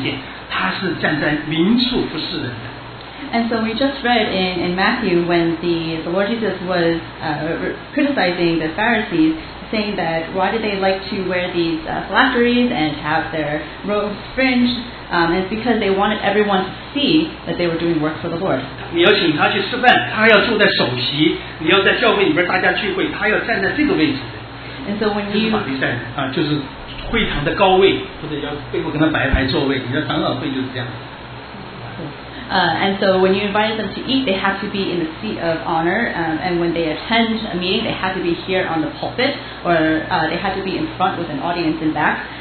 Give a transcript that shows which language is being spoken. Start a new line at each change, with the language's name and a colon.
Chinese: 刚才我们念了马太福音23章，主耶稣就在责备一个法利赛人，他们喜欢把经文的带子做宽了，把那个衣服的穗子做长了，对不对？为什么？他希望能看见他是站在明处服侍人的。
English: And so we just read in Matthew when the Lord Jesus was criticizing the Pharisees, saying that why did they like to wear these phylacteries and have their robes fringed? It's because they wanted everyone to see that they were doing work for the Lord.
Chinese: 你要请他去吃饭，他要坐在首席，你要在教会里面大家聚会，他要站在这个位置。
English: And so when you
Chinese: 就是会堂的高位，或者要背后跟他摆排座位，你的长老会就是这样。
English: And so when you invite them to eat, they have to be in the seat of honor. And when they attend a meeting, they have to be here on the pulpit, or they have to be in front with an audience in back.